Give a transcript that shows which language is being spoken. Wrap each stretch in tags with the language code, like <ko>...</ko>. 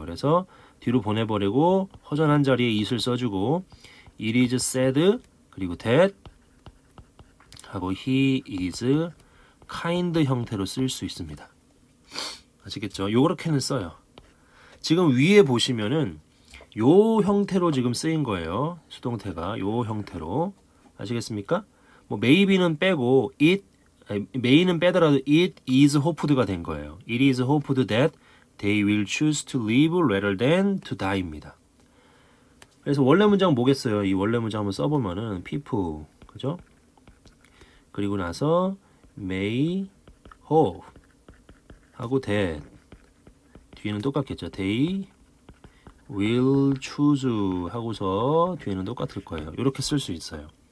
<ko>그래서 뒤로 보내버리고, 허전한 자리에 it을 써주고,</ko> <en>it is said,</en> <ko>그리고 that, 하고</ko> <en>he is kind</en> <ko>형태로 쓸수 있습니다. 아시겠죠? 요렇게는 써요. 지금 위에 보시면은, 요 형태로 지금 쓰인 거예요. 수동태가 요 형태로. 아시겠습니까? 뭐 maybe는 빼고 it 메인은 빼더라도</ko> <en>it is hoped</en> <ko>가 된 거예요.</ko> <en>It is hoped that they will choose to live rather than to die</en> <ko>입니다. 그래서 원래 문장 뭐겠어요? 이 원래 문장 한번 써 보면은 people, 그죠? 그리고 나서</ko> <en>may hope</en> <ko>하고 that 뒤에는 똑같겠죠.</ko> <en>They will choose</en> <ko>하고서 뒤에는 똑같을 거예요. 이렇게 쓸수 있어요.</ko>